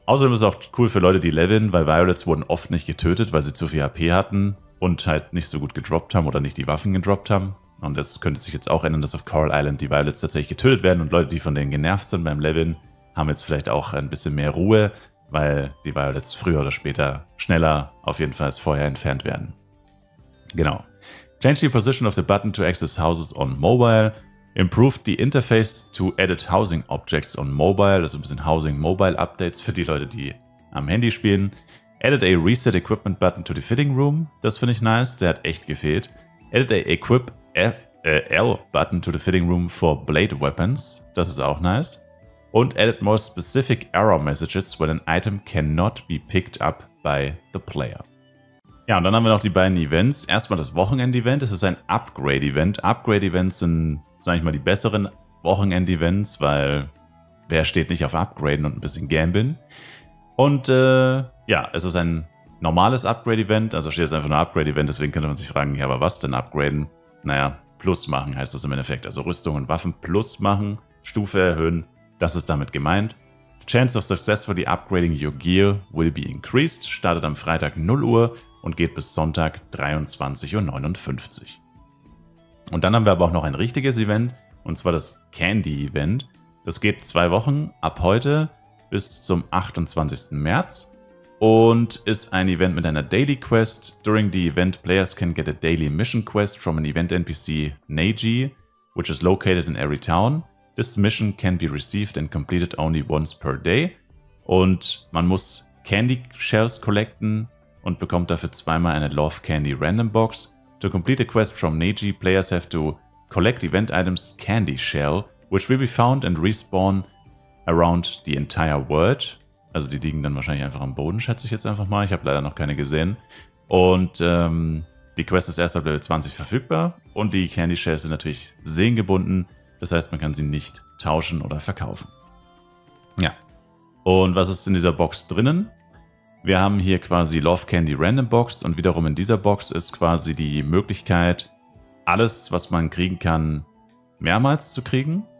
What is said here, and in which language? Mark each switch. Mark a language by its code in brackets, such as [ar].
[de] Außerdem ist es auch cool für Leute, die leveln, weil Violets wurden oft nicht getötet, weil sie zu viel HP hatten und halt nicht so gut gedroppt haben oder nicht die Waffen gedroppt haben. Und das könnte sich jetzt auch ändern, dass auf Coral Island die Violets tatsächlich getötet werden und Leute, die von denen genervt sind beim Leveln, haben jetzt vielleicht auch ein bisschen mehr Ruhe, weil die Violets früher oder später schneller auf jeden Fall als vorher entfernt werden. Genau. [en] Change the position of the button to access houses on mobile. Improved the interface to edit housing objects on mobile. [de] Also ein bisschen Housing-Mobile-Updates für die Leute, die am Handy spielen. [en] Added a reset equipment button to the fitting room. [de] Das finde ich nice, der hat echt gefehlt. [en] Added a equip L button to the fitting room for blade weapons. [de] Das ist auch nice. [en] Und added more specific error messages when an item cannot be picked up by the player. [de] Ja, und dann haben wir noch die beiden Events. Erstmal das Wochenende-Event. Es ist ein Upgrade-Event. Upgrade-Events sind, sag ich mal, die besseren Wochenende-Events, weil wer steht nicht auf Upgraden und ein bisschen Gambeln? Und ja, es ist ein normales Upgrade-Event. Also steht jetzt einfach nur Upgrade-Event, deswegen könnte man sich fragen, ja, aber was denn upgraden? Naja, plus machen heißt das im Endeffekt. Also Rüstung und Waffen plus machen, Stufe erhöhen. Das ist damit gemeint. [en] The chance of successfully upgrading your gear will be increased. [de] Startet am Freitag 0 Uhr und geht bis Sonntag 23.59 Uhr. Und dann haben wir aber auch noch ein richtiges Event, und zwar das Candy-Event. Das geht 2 Wochen ab heute bis zum 28. März und ist ein Event mit einer Daily Quest. [en] During the event, players can get a daily mission quest from an event NPC, Neji, which is located in every town. This mission can be received and completed only once per day. [de] Und man muss Candy Shells collecten und bekommt dafür 2x eine Love Candy Random Box. [en] To complete a quest from Neji, players have to collect event items Candy Shell, which will be found and respawn around the entire world. [de] Also die liegen dann wahrscheinlich einfach am Boden, schätze ich jetzt einfach mal. Ich habe leider noch keine gesehen. Und Die Quest ist erst ab Level 20 verfügbar und die Candy Shells sind natürlich seelengebunden. Das heißt, man kann sie nicht tauschen oder verkaufen. Ja. Und was ist in dieser Box drinnen? Wir haben hier quasi Love Candy Random Box und wiederum in dieser Box ist quasi die Möglichkeit, alles, was man kriegen kann, mehrmals zu kriegen.